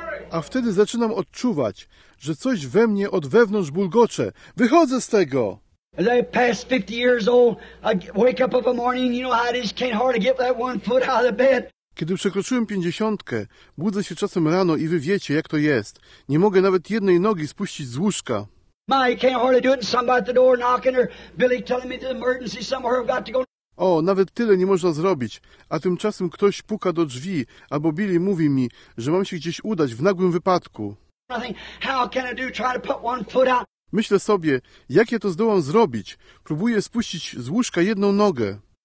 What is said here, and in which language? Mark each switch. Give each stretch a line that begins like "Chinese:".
Polish: A wtedy zaczynam odczuwać, że coś we mnie od wewnątrz bulgocze. Wychodzę z tego!
English: As I pass 50 years old, I wake up of a morning, you know how I just can't hardly get that one foot out of the bed.
Polish: Kiedy przekroczyłem 50, budzę się czasem rano i wy wiecie, jak to jest. Nie mogę nawet jednej nogi spuścić z łóżka.
English: My, I can't hardly do it, and somebody at the door knocking, or Billy telling me the emergency somewhere I've got to go.
Polish: O, nawet tyle nie można zrobić, a tymczasem ktoś puka do drzwi, albo Billy mówi mi, że mam się gdzieś udać w nagłym wypadku.
English: How can I do, try to put one foot out?
Polish: Myślę sobie, jak ja to zdołam zrobić. Próbuję spuścić z łóżka jedną nogę.